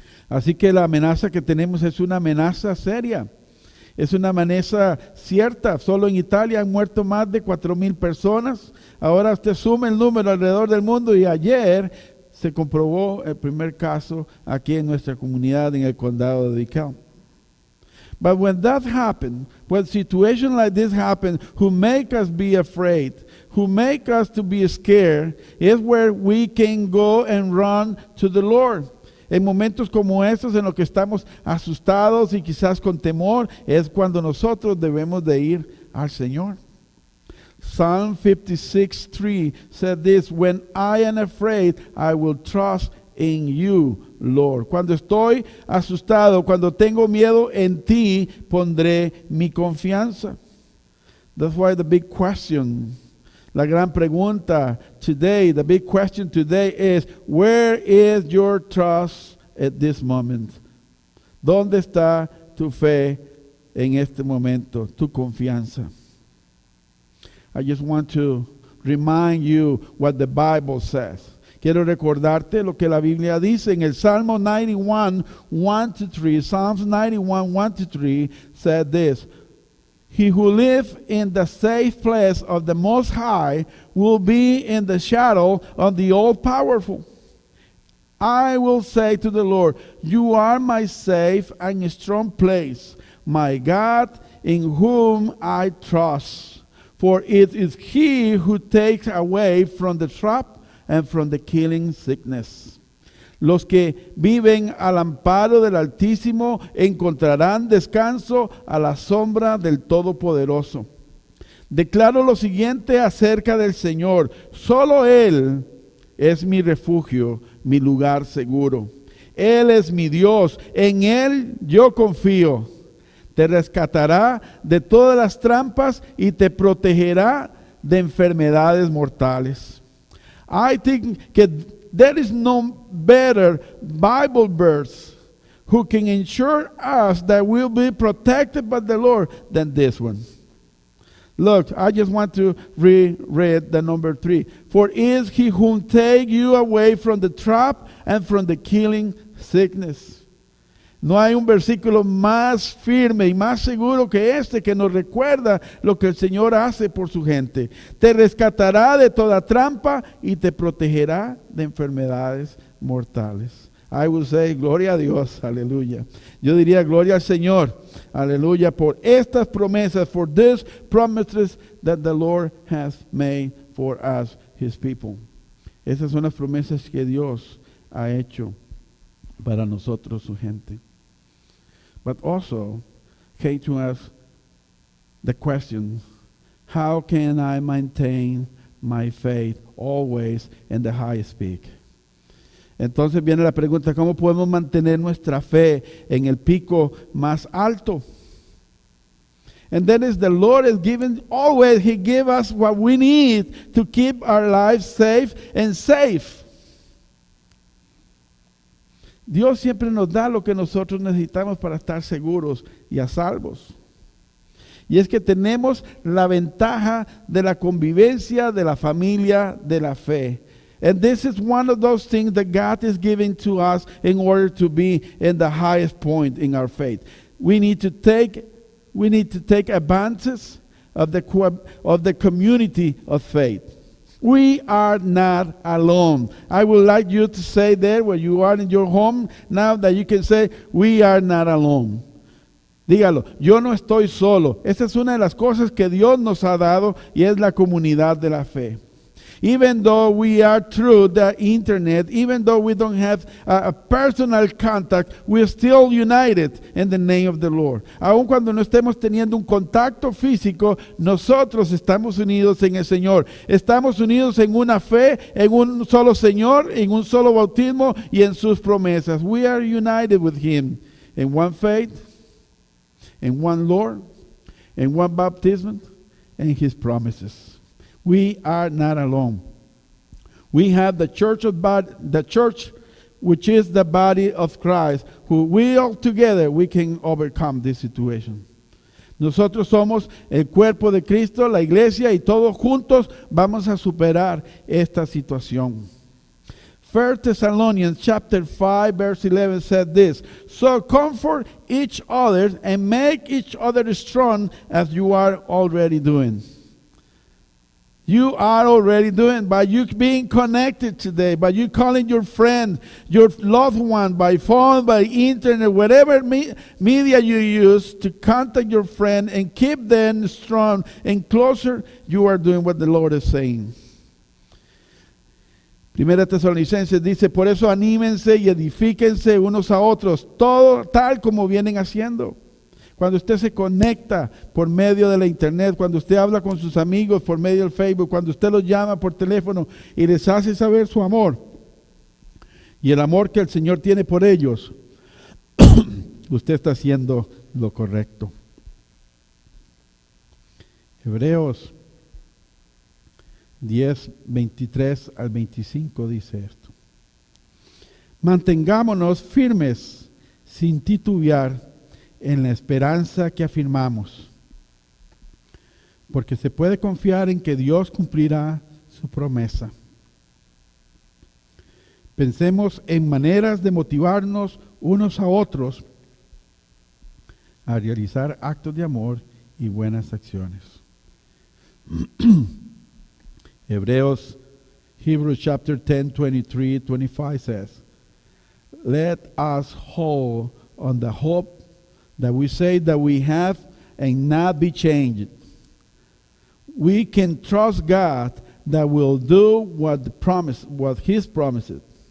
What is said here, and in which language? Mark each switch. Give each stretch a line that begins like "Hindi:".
Spanish: Así que la amenaza que tenemos es una amenaza seria. Es una amenaza cierta. Solo en Italia han muerto más de 4,000 personas. Ahora usted suma el número alrededor del mundo y ayer se comprobó el primer caso aquí en nuestra comunidad, en el condado de DeKalb.
English: But when that happened, when situations like this happen, who make us be afraid, who make us to be scared, is where we can go and run to the Lord.
Spanish: En momentos como estos, en los que estamos asustados y quizás con temor, es cuando nosotros debemos de ir al Señor.
English: Psalm 56:3 said this, when I am afraid, I will trust in you, Lord.
Spanish: Cuando estoy asustado, cuando tengo miedo, en ti pondré mi confianza.
English: That's why the big question,
Spanish: la gran pregunta
English: today, the big question today is, where is your trust at this moment?
Spanish: ¿Dónde está tu fe en este momento, tu confianza?
English: I just want to remind you what the Bible says.
Spanish: Quiero recordarte lo que la Biblia dice en el Salmo 91:1-3.
English: Psalms 91:1-3 said this. He who lives in the safe place of the Most High will be in the shadow of the All-Powerful. I will say to the Lord, you are my safe and strong place, my God in whom I trust. For it is He who takes away from the trap and from the killing sickness.
Spanish: Los que viven al amparo del Altísimo encontrarán descanso a la sombra del Todopoderoso. Declaro lo siguiente acerca del Señor. Solo Él es mi refugio, mi lugar seguro. Él es mi Dios. En Él yo confío. Te rescatará de todas las trampas y te protegerá de enfermedades mortales.
English: I think que there is no better Bible verse who can ensure us that we'll be protected by the Lord than this one. Look, I just want to reread the number 3. For is He who takes you away from the trap and from the killing sickness.
Spanish: No hay un versículo más firme y más seguro que este que nos recuerda lo que el Señor hace por su gente. Te rescatará de toda trampa y te protegerá de enfermedades mortales.
English: I will say,
Spanish: gloria a Dios, aleluya. Yo diría, gloria al Señor, aleluya, por estas promesas,
English: for these promises that the Lord has made for us, His people.
Spanish: Esas son las promesas que Dios ha hecho para nosotros, su gente.
English: But also came to us the question, how can I maintain my faith always in the highest peak?
Spanish: Entonces viene la pregunta, ¿cómo podemos mantener nuestra fe en el pico más alto?
English: And then is the Lord is given always, He gives us what we need to keep our lives safe and safe.
Spanish: Dios siempre nos da lo que nosotros necesitamos para estar seguros y a salvos. Y es que tenemos la ventaja de la convivencia de la familia de la fe.
English: And this is one of those things that God is giving to us in order to be in the highest point in our faith. We need to take advantage of the community of faith. We are not alone. I would like you to say there where you are in your home now that you can say, we are not alone.
Spanish: Dígalo, yo no estoy solo. Esa es una de las cosas que Dios nos ha dado y es la comunidad de la fe.
English: Even though we are through the internet, even though we don't have a personal contact, we are still united in the name of the Lord.
Spanish: Aun cuando no estemos teniendo un contacto físico, nosotros estamos unidos en el Señor. Estamos unidos en una fe, en un solo Señor, en un solo bautismo y en sus promesas.
English: We are united with Him in one faith, in one Lord, in one baptism, in His promises. We are not alone. We have the church, which is the body of Christ, who we all together, we can overcome this situation.
Spanish: Nosotros somos el cuerpo de Cristo, la iglesia, y todos juntos vamos a superar esta situación.
English: 1 Thessalonians chapter 5, verse 11 said this, so comfort each other and make each other strong as you are already doing. You are already doing by you being connected today, by you calling your friend, your loved one, by phone, by internet, whatever media you use to contact your friend and keep them strong and closer, you are doing what the Lord is saying.
Spanish: Primera Tesalonicenses dice, por eso anímense y edifíquense unos a otros, todo tal como vienen haciendo. Cuando usted se conecta por medio de la internet, cuando usted habla con sus amigos por medio del Facebook, cuando usted los llama por teléfono y les hace saber su amor y el amor que el Señor tiene por ellos, usted está haciendo lo correcto. Hebreos 10, 23 al 25 dice esto. Mantengámonos firmes sin titubear en la esperanza que afirmamos, porque se puede confiar en que Dios cumplirá su promesa. Pensemos en maneras de motivarnos unos a otros a realizar actos de amor y buenas acciones.
English: Hebrews chapter 10, 23-25 says, let us hold on the hope that we say that we have and not be changed. We can trust God that will do what His promises.